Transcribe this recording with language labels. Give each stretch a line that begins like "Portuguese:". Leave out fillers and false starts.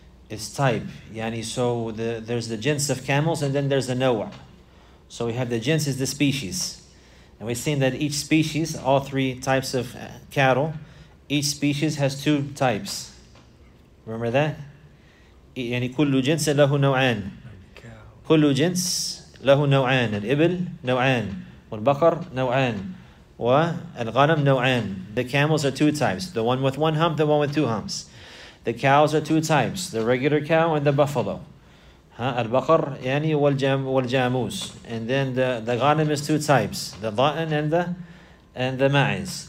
English: Yani, so there's the jins of camels and then there's the nawa'. So we have the jins is the species. And we've seen that each species, all three types of cattle, each species has two types. Remember that? Yani,
Arabic: kullu jins lahu naw'an. كل جنس له نوعان الإبل نوعان والبقر نوعان وَالْغَنَمْ نَوْعَانِ.
English: The camels are two types, the one with one hump, the one with two humps. The cows are two types, the regular cow and the buffalo.
Arabic: البقر يعني والجاموس.
English: And then the غنم is two types, the ضأن and the ماعز.